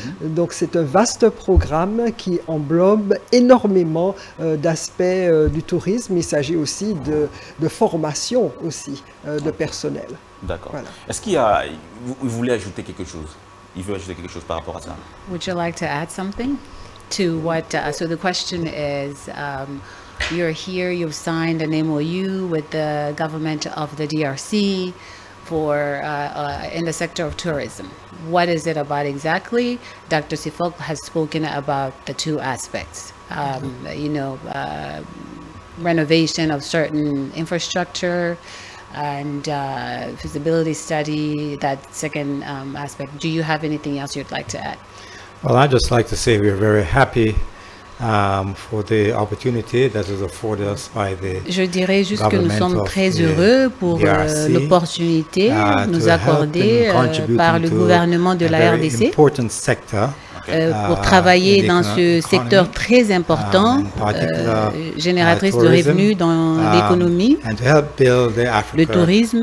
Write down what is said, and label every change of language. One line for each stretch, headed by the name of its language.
French: Donc, c'est un vaste programme qui englobe énormément d'aspects du tourisme. Il s'agit aussi de formation aussi de personnel. D'accord. Voilà. Est-ce qu'il y a... Vous voulez ajouter quelque chose? Il veut ajouter quelque chose par rapport à ça?
English: Would you like to add something? To what, so the question is, you're here, you've signed an MOU with the government of the DRC for, in the sector of tourism. What is it about exactly? Dr. Sefocle has spoken about the two aspects, you know, renovation of certain infrastructure and feasibility study, that second aspect. Do you have anything else you'd like to add? Well, I'd just like to say we're very happy for the opportunity that is afforded us by the
French: Je dirais juste que nous sommes très heureux pour l'opportunité nous accordée par le gouvernement de la RDC pour travailler dans ce secteur très important, génératrice de revenus dans l'économie, le tourisme.